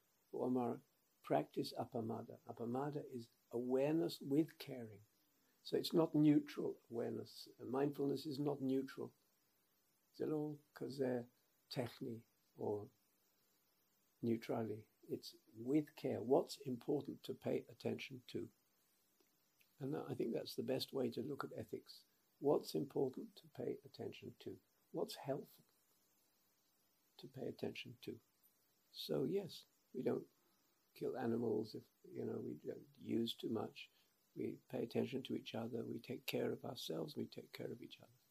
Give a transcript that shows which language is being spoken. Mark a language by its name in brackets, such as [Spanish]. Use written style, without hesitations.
[Hebrew] הוא אמר, practice apamada. [English] Apamada is awareness with caring. So it's not neutral awareness. Mindfulness is not neutral. [Hebrew] זה לא כזה טכני or neutrally. [English] It's with care. What's important to pay attention to? And I think that's the best way to look at ethics. What's important to pay attention to? What's helpful to pay attention to? So yes, we don't kill animals, if you know, we don't use too much, we pay attention to each other, we take care of ourselves, we take care of each other.